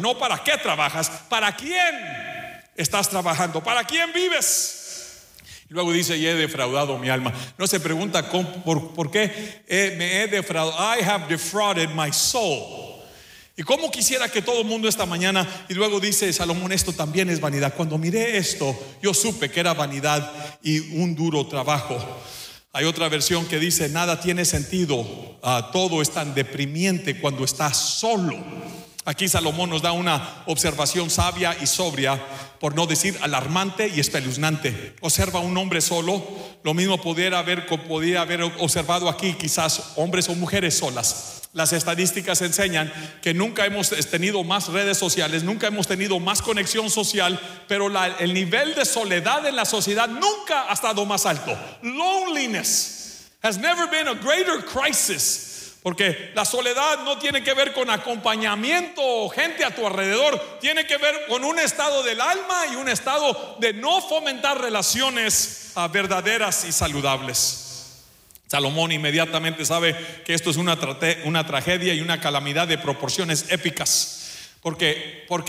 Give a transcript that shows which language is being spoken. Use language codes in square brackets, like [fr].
[es] No, para qué trabajas, para quién estás trabajando, para quién vives. Luego dice, y he defraudado mi alma. No se pregunta por qué me he defraudado. [en] I have defrauded my soul. [es] Y cómo quisiera que todo el mundo esta mañana. Y luego dice Salomón, esto también es vanidad. Cuando miré esto, yo supe que era vanidad y un duro trabajo. Hay otra versión que dice, nada tiene sentido. Todo es tan deprimente cuando estás solo. Aquí Salomón nos da una observación sabia y sobria, por no decir alarmante y espeluznante. Observa un hombre solo, lo mismo podía haber observado aquí quizás hombres o mujeres solas. Las estadísticas enseñan que nunca hemos tenido más redes sociales, nunca hemos tenido más conexión social, pero el nivel de soledad en la sociedad nunca ha estado más alto. [en] Loneliness has never been a greater crisis. [es] Porque la soledad no tiene que ver con acompañamiento o gente a tu alrededor, tiene que ver con un estado del alma y un estado de no fomentar relaciones verdaderas y saludables. Salomón inmediatamente sabe que esto es una tragedia y una calamidad de proporciones épicas. ¿Por qué?